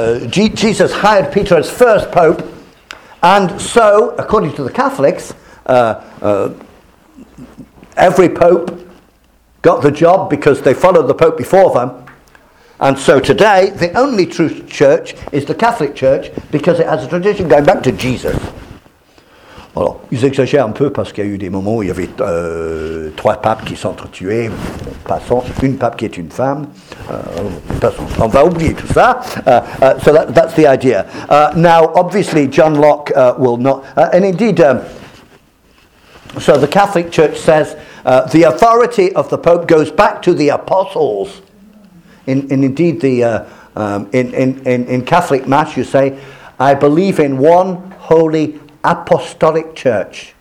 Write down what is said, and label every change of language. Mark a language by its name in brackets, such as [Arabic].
[English] Jesus hired Peter as first pope. And so, according to the Catholics, every pope got the job because they followed the pope before them. And so today, the only true church is the Catholic Church because it has a tradition going back to Jesus. [French] Alors, ils exagèrent un peu parce qu'il y a eu des moments où il y avait trois papes qui s'entretuaient, passons, une pape qui est une femme, passons, on va oublier tout ça. [English] So that's the idea. Now, obviously, John Locke will not, and indeed, so the Catholic Church says the authority of the Pope goes back to the apostles. And indeed, the in Catholic Mass you say, I believe in one holy apostolic church.